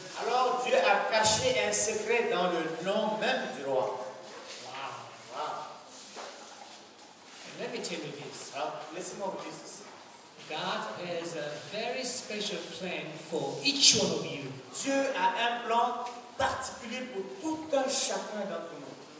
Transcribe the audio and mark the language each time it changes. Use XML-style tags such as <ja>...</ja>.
<fr>Alors Dieu a caché un secret dans le nom même du roi. Wow. Wow.</fr> <en>And let me tell you this.</en> <fr>Laissez-moi vous dire ceci.</fr> <en>God has a very special plan for each one of you.</en> <fr>Dieu a un plan particulier pour tout un chacun d'entre nous.</fr>